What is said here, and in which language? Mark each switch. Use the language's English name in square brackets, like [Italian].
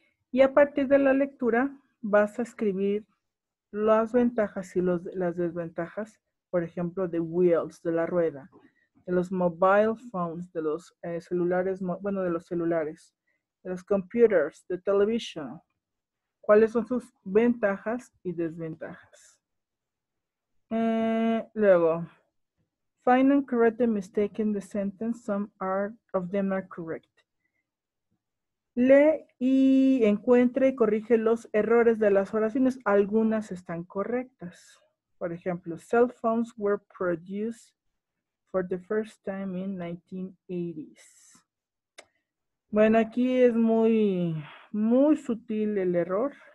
[Spanish] Y a partir de la lectura, vas a escribir las ventajas y las desventajas, por ejemplo, de wheels, de la rueda, de los mobile phones, de los celulares, bueno, de los celulares, de los computers, de televisión. ¿Cuáles son sus ventajas y desventajas? [English] Luego, find and correct the mistake in the sentence. Some of them are correct. [Spanish] Lee y encuentra y corrige los errores de las oraciones. Algunas están correctas. Por ejemplo, [English] cell phones were produced for the first time in 1980s. [Spanish] Bueno, aquí es muy, muy sutil el error.